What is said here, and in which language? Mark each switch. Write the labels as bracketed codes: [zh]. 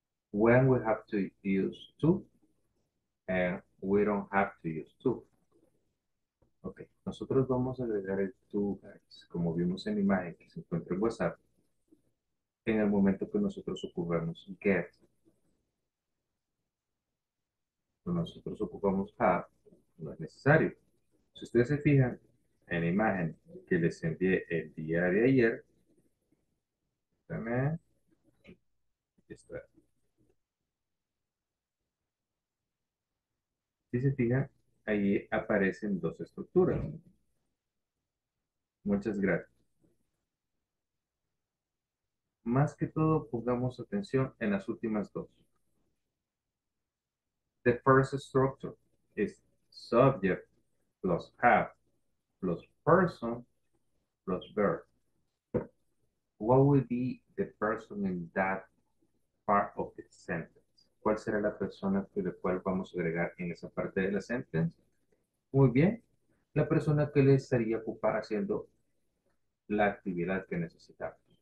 [en] When we have to use to and we don't have to use to. [es] Ok, nosotros vamos a agregar el to, guys, como vimos en la imagen que se encuentra en WhatsApp, en el momento que nosotros ocupamos get. Cuando nosotros ocupamos have, no es necesario. Si ustedes se fijan en la imagen que les envié el día de ayer, también está. Si se fijan, ahí aparecen dos estructuras. Muchas gracias. Más que todo, pongamos atención en las últimas dos. [en] The first structure is subject plus have plus person plus verb. What would be the person in that part of the sentence? [es] ¿Cuál será la persona que le cual vamos a agregar en esa parte de la sentence? Muy bien. La persona que le estaría ocupada haciendo la actividad que necesitamos.